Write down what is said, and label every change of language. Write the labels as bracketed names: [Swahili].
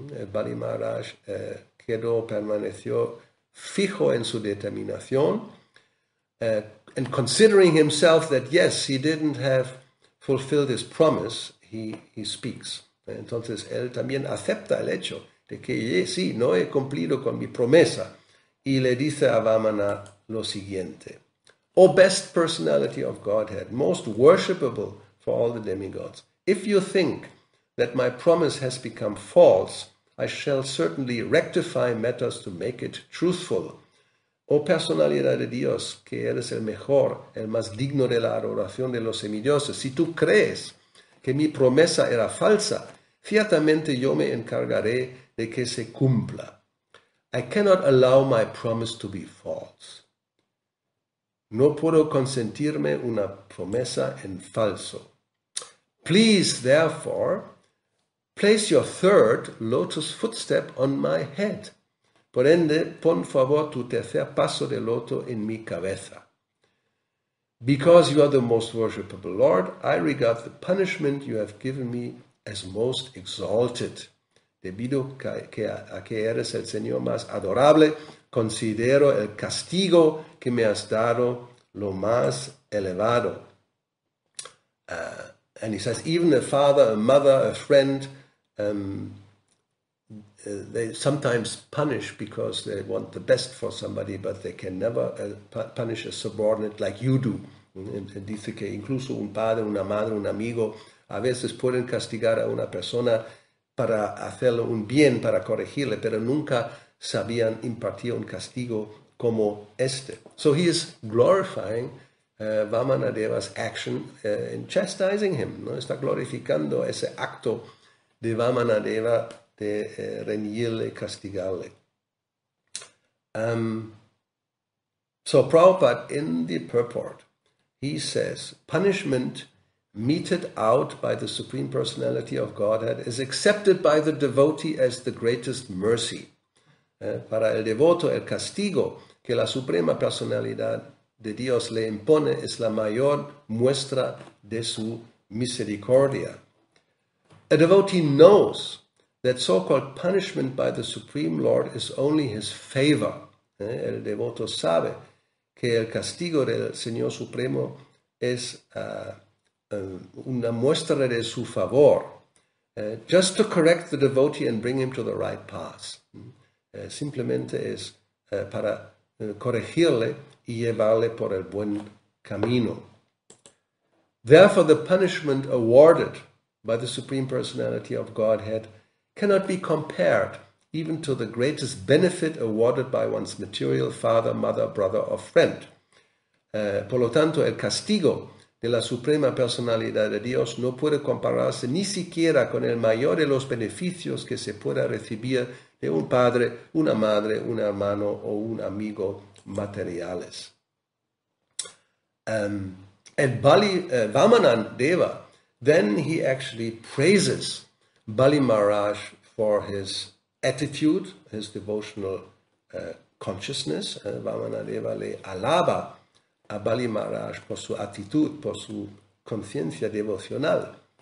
[Spanish] Bali Maharaj permaneció fijo en su determinación, [English] and considering himself that, yes, he didn't have fulfilled his promise, he speaks. [Spanish] Entonces, él también acepta el hecho de que, sí, no he cumplido con mi promesa. Y le dice a Vamana lo siguiente. [English] O best personality of Godhead, most worshipable for all the demigods, if you think that my promise has become false, I shall certainly rectify matters to make it truthful. [Spanish] Oh personalidad de Dios, que eres el mejor, el más digno de la adoración de los semidioses, si tú crees que mi promesa era falsa, ciertamente yo me encargaré de que se cumpla. [English] I cannot allow my promise to be false. [Spanish] No puedo consentirme una promesa en falso. [English] Please, therefore, place your third lotus footstep on my head. [Spanish] Por ende, pon favor tu tercer paso de loto en mi cabeza. [English] Because you are the most worshipable Lord, I regard the punishment you have given me as most exalted. [Spanish] Debido a que eres el Señor más adorable, considero el castigo que me has dado lo más elevado. [English] And he says, even a father, a mother, a friend, they sometimes punish because they want the best for somebody, but they can never punish a subordinate like you do. [Spanish] Dice que incluso un padre, una madre, un amigo, a veces pueden castigar a una persona para hacerle un bien, para corregirle, pero nunca sabían impartir un castigo como este. [English] So he is glorifying Vamanadeva's action in chastising him. ¿No? [Spanish] Está glorificando ese acto de Vamanadeva de reñirle, castigarle. [English] So Prabhupada, in the purport, he says, punishment meted out by the Supreme Personality of Godhead is accepted by the devotee as the greatest mercy. [Spanish] Para el devoto, el castigo que la Suprema Personalidad de Dios le impone es la mayor muestra de su misericordia. [English] A devotee knows that so-called punishment by the Supreme Lord is only his favor. [Spanish] El devoto sabe que el castigo del Señor Supremo es una muestra de su favor. [English] Just to correct the devotee and bring him to the right path. [Spanish] Simplemente es para corregirle y llevarle por el buen camino. [English] Therefore, the punishment awarded by the Supreme Personality of Godhead cannot be compared even to the greatest benefit awarded by one's material father, mother, brother, or friend. [Spanish] Por lo tanto, el castigo de la Suprema Personalidad de Dios no puede compararse ni siquiera con el mayor de los beneficios que se pueda recibir de un padre, una madre, un hermano o un amigo materiales. [English] And Bali, Vamanan Deva, then he actually praises Bali Maharaj for his attitude, his devotional consciousness. [Spanish] Vamanan Deva le alaba a Bali Maharaj por su actitud, por su conciencia devocional.